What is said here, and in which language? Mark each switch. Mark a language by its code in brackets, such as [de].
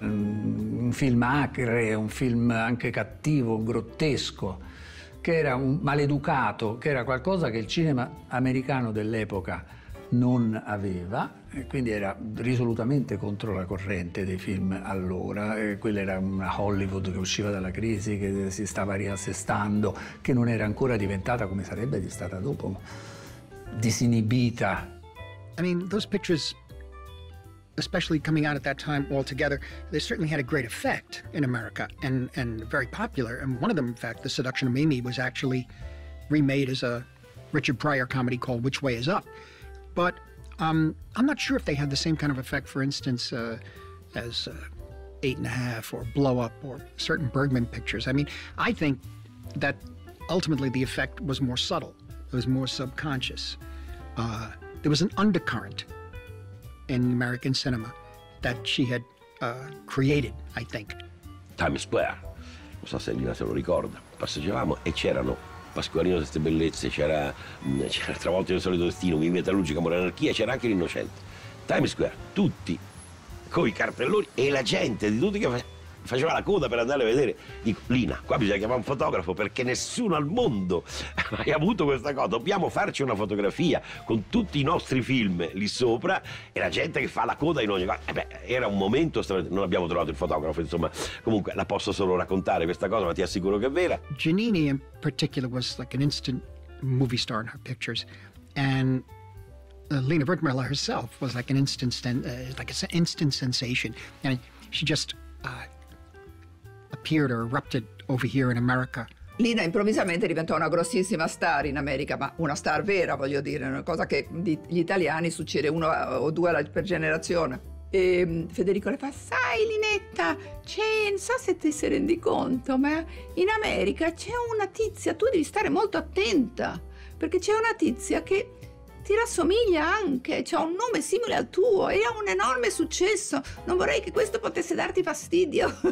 [it] Un film acre, un film anche cattivo, grottesco, che era un maleducato, che era qualcosa che il cinema americano dell'epoca non aveva, e quindi era risolutamente contro la corrente dei film allora. E quella era una Hollywood che usciva dalla crisi, che si stava riassestando, che non era ancora diventata, come sarebbe stata dopo, disinibita. [en] I mean, those pictures, especially coming out at that time altogether, they certainly had a great effect in America and very popular. And one of them, in fact, The Seduction of Mimi, was actually remade as a Richard Pryor comedy called Which Way Is Up. But I'm not sure if they had the same kind of effect, for instance, as Eight and a Half or Blow Up or certain Bergman pictures. I mean, I think that ultimately the effect was more subtle. It was more subconscious. There was an undercurrent in American cinema that she had created, I think. [it] Times Square, non so se Lina se lo ricorda, passeggiavamo e c'erano Pasqualino queste bellezze, c'era Travolto il solito destino, Mi metta luce, Camorra anarchia, c'era anche l'innocente. Times Square, tutti con i cartelloni e la gente di tutti che faceva la coda per andare a vedere. Dico, Lina, qua bisogna chiamare un fotografo perché nessuno al mondo ha avuto questa cosa. Dobbiamo farci una fotografia con tutti i nostri film lì sopra e la gente che fa la coda in ogni cosa. Era un momento straordinario. Non abbiamo trovato il fotografo, insomma. Comunque, la posso solo raccontare questa cosa, ma ti assicuro che è vera. [en] Giannini, in particular, was like an instant movie star in her pictures. And Lina Wertmüller herself was like an instant sensation. And she just appeared or erupted over here in America. [it] Lina improvvisamente diventò una grossissima star in America, ma una star vera, voglio dire, una cosa che gli italiani succede uno o due per generazione. E Federico le fa: sai, Linetta, c'è, non so se ti sei rendi conto, ma in America c'è una tizia, tu devi stare molto attenta, perché c'è una tizia che ti rassomiglia anche, c'ha un nome simile al tuo e ha un enorme successo, non vorrei che questo potesse darti fastidio.